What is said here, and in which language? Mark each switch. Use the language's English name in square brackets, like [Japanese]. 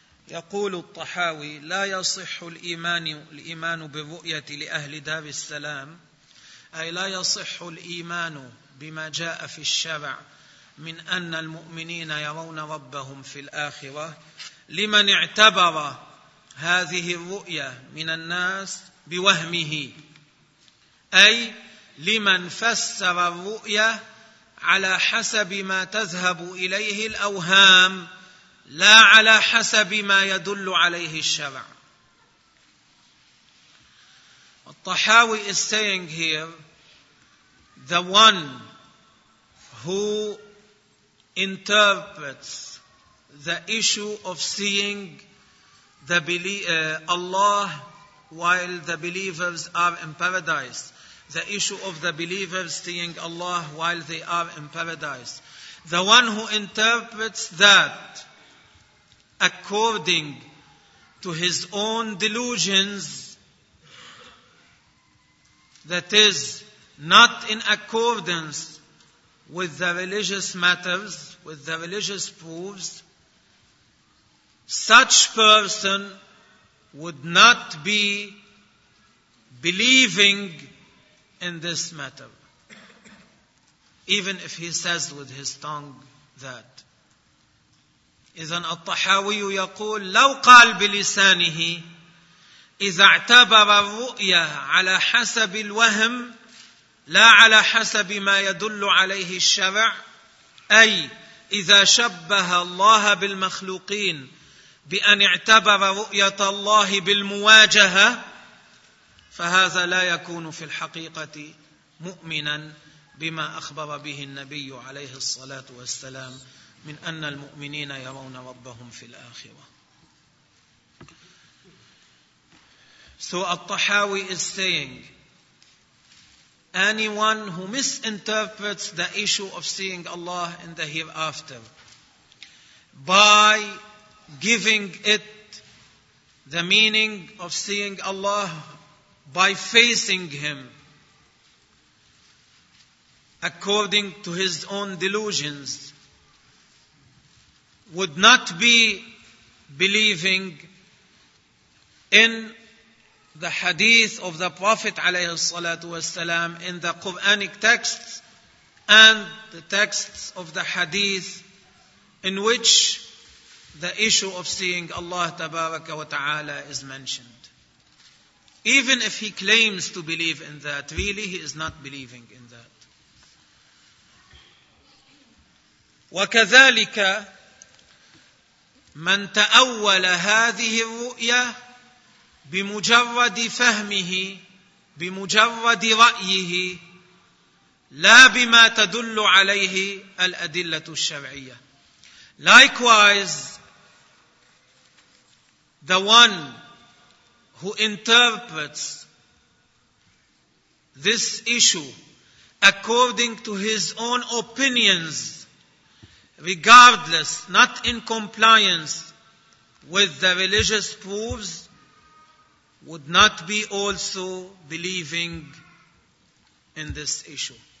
[Arabic] يقول الطحاوي لا يصح الإيمان بالرؤية لأهل دار السلام أي لا يصح الإيمان بما جاء في الشرع من أن المؤمنين يرون ربهم في الآخرة لمن اعتبر هذه الرؤية من الناس بوهمه أي لمن فسر الرؤية على حسب ما تذهب إليه الأوهام لا على حسب ما يدل عليه الشرع. [English] الطحاوي is saying here, the one who interprets the issue of seeing the Allah while the believers are in paradise, the issue of the believers seeing Allah while they are in paradise, the one who interprets that according to his own delusions, that is, not in accordance with the religious matters, with the religious proofs, such person would not be believing in this matter, even if he says with his tongue that. [Arabic] إذن الطحاوي يقول لو قال بلسانه إذا اعتبر الرؤية على حسب الوهم لا على حسب ما يدل عليه الشرع أي إذا شبه الله بالمخلوقين بأن اعتبر رؤية الله بالمواجهة فهذا لا يكون في الحقيقة مؤمنا بما أخبر به النبي عليه الصلاة والسلام من أن المؤمنين يرون ربهم في الآخرة. [English] So الطحاوي is saying, anyone who misinterprets the issue of seeing Allah in the hereafter by giving it the meaning of seeing Allah by facing Him according to his own delusions would not be believing in the hadith of the Prophet [Arabic] عليه الصلاة والسلام [English] in the Quranic texts and the texts of the hadith in which the issue of seeing Allah [Arabic] تبارك وتعالى [English] is mentioned. Even if he claims to believe in that, really he is not believing in that. [Arabic] وكذلك من تأول هذه الرؤية بمجرد فهمه بمجرد رأيه لا بما تدل عليه الأدلة الشرعية. [English] Likewise, the one who interprets this issue according to his own opinions, regardless, not in compliance with the religious proofs, would not be also believing in this issue.